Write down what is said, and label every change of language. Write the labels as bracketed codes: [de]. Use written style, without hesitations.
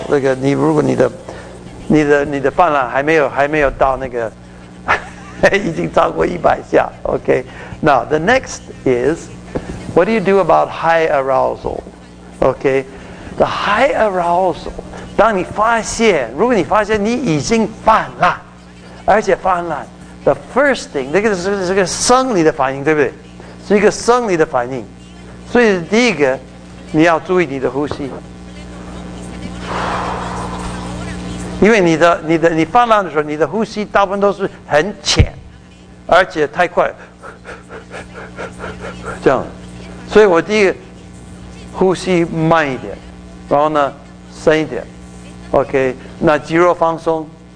[zh] 那个你如果你的泛滥还没有到那个，已经超过100下 ，okay. [en] Now the next is, what do you do about high arousal? Okay, the high arousal. [zh] 当你发现，如果你发现你已经泛滥。而且泛滥 ， [en] the first thing， [zh] 那个是个生理的反应，对不对？是一个生理的反应，所以第一个你要注意你的呼吸，因为你泛滥的时候，你的呼吸大部分都是很浅，而且太快，这样，所以我第一个呼吸慢一点，然后呢深一点 ，OK， 那肌肉放松。